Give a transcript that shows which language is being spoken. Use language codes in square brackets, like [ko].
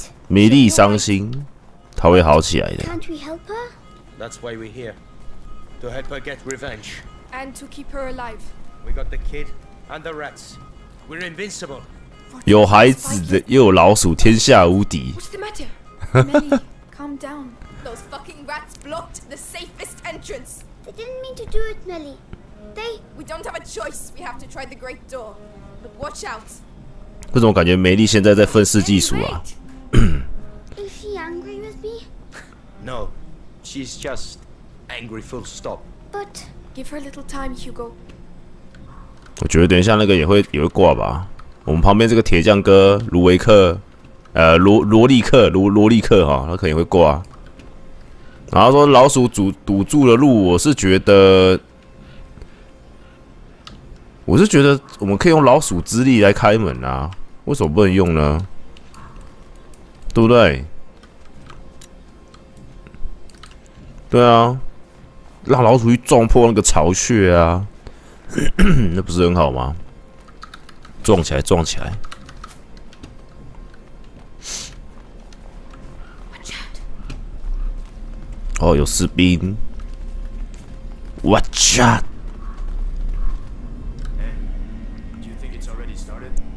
[zh] 米莉伤心，她会好起来的。 [en] That's why we're here, to help her get revenge, and to keep her alive. We got the kid and the rats. We're invincible. [zh] 有孩子的又有老鼠，天下无敌。 [en] What's the matter? Melly, calm down. Those fucking rats blocked the safest entrance. They didn't mean to do it, Melly. They. We don't have a choice. We have to try the great door. But watch out. [zh] 为什么感觉梅丽现在在愤世嫉俗啊？ [en] Is she angry with me? No. She's just angry. Full stop. But give her a little time, Hugo. [zh] 我觉得等一下那个也会挂吧。我们旁边这个铁匠哥卢维克，罗利克哈，他可能会挂。然后说老鼠堵住了路，我是觉得我们可以用老鼠之力来开门啊，为什么不能用呢？对不对？对啊，让老鼠去撞破那个巢穴啊，那不是很好吗？撞起来！哦，有士兵 ， [en] Watch out！ Hey, do you think it's already started?